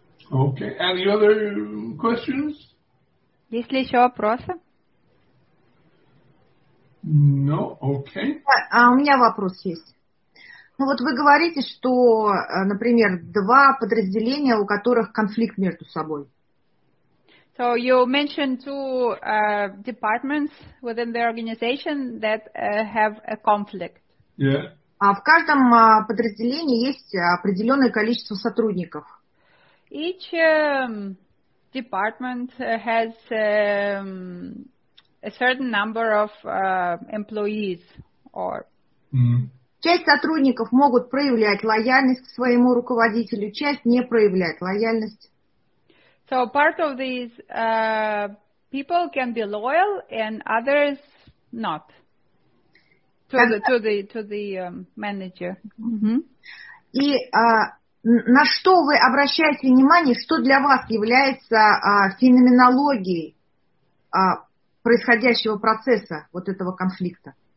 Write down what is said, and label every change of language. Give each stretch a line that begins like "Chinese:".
English: Okay. Any other questions?
Russian: Есть ли еще вопросы?
English: No, okay.
Russian: А у меня вопрос есть. Ну вот вы говорите, что, например, два подразделения, у которых конфликт между собой.
English: So you mentioned two departments within the organization that have a conflict. Yeah.
Russian: А в каждом подразделении есть определенное количество сотрудников.
English: Each department has a certain number of employees or.
Russian: Часть сотрудников могут проявлять лояльность к своему руководителю, часть не проявляет лояльность.
English: So part of these people can be loyal and others not to the manager. Mm-hmm.
Russian: И на что вы обращаете внимание, что для вас является феноменологией происходящего процесса вот этого конфликта?